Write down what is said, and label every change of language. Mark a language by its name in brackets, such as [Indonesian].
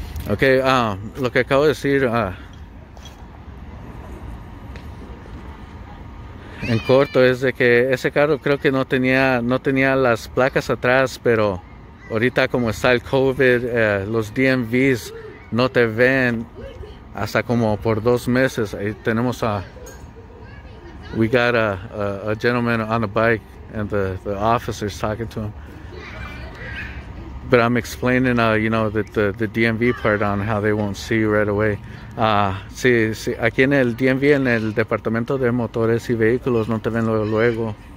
[Spanish] Okay, lo que acabo de decir, en corto, es de que ese carro creo que no tenía las placas atrás, pero ahorita como está el COVID, los DMVs no te ven hasta como por 2 meses. Ahí tenemos [English] we got a gentleman on a bike, and the officer's talking to him, but I'm explaining you know, that the DMV part on how they won't see you right away. [Spanish] Sí, aquí en el DMV, en el departamento de motores y vehículos, no te ven luego.